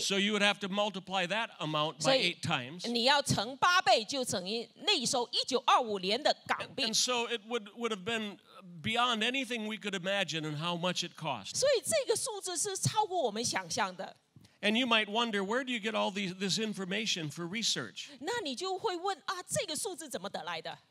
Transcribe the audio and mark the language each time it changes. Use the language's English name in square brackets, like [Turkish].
[English] So you would have to multiply that amount by 8 times. [Chinese] 你要乘八倍就乘以那时候1925年的港币。 [English] And so it would have been beyond anything we could imagine and how much it cost. [Chinese] 所以这个数字是超过我们想象的。 [English] And you might wonder, where do you get all this information for research? [Chinese] 那你就会问啊，这个数字怎么得来的？